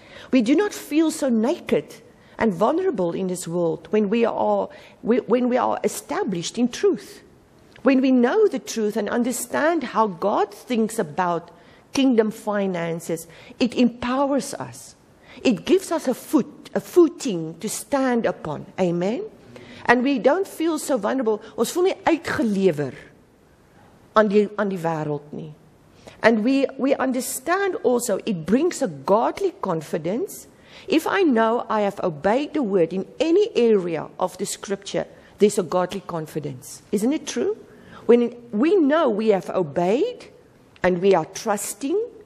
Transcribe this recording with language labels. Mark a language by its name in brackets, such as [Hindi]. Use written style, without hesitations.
[English] We do not feel so naked and vulnerable in this world when we are established in truth. When we know the truth and understand how God thinks about kingdom finances, it empowers us. It gives us a footing to stand upon. Amen? And we don't feel so vulnerable. [Afrikaans] Ons voel nie uitgelewer aan die wêreld nie. [English] And we understand also it brings a godly confidence. If I know I have obeyed the word in any area of the scripture, there's a godly confidence. Isn't it true? When we know we have obeyed and we are trusting